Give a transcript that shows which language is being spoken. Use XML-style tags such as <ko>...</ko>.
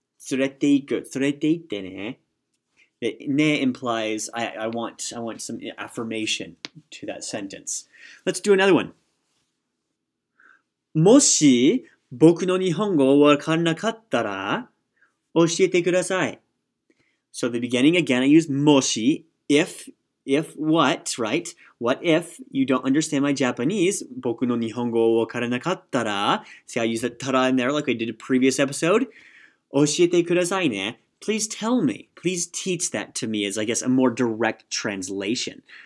<ja>連れて行く、連れて行ってね.</ja> <en>ね implies I want some affirmation to that sentence. Let's do another one.</en> <ja>もし僕の日本語を分からなかったら教えてください.</ja> <en>So the beginning, again, I use moshi, if what, right? What if you don't understand my Japanese,</en> <ja>僕の日本語を分からなかったら,</ja> <en>see I use the tara in there like I did a previous episode,</en> <ja>教えてくださいね,</ja> <en>please tell me, please teach that to me as, I guess, a more direct translation.</en>